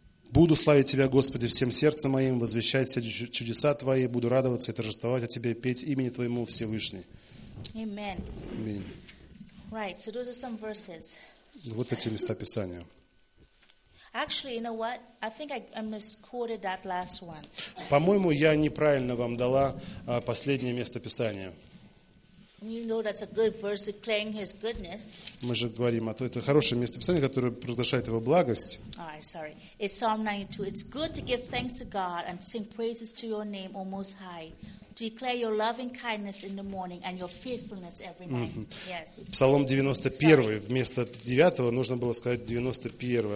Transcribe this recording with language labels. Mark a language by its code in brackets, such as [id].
[ru] Буду славить Тебя, Господи, всем сердцем моим, возвещать все чудеса Твои, буду радоваться и торжествовать о Тебе, петь имени Твоему Всевышний. [en] Amen. Amen. Right, so those are some verses. [ru] Вот эти места Писания. [en] Actually, you know what? I think I misquoted that last one. [ru] По-моему, я неправильно вам дала последнее место Писания. [en] You know that's a good verse declaring His goodness. [ru] Мы же говорим о том, это хорошее место Писания, которое провозглашает Его благость. [en] All right, sorry. It's Psalm 92. It's good to give thanks to God and sing praises to Your name, O Most High, to declare Your loving kindness in the morning and Your faithfulness every night. Yes. [ru] Псалом 91. Вместо 9 нужно было сказать 91.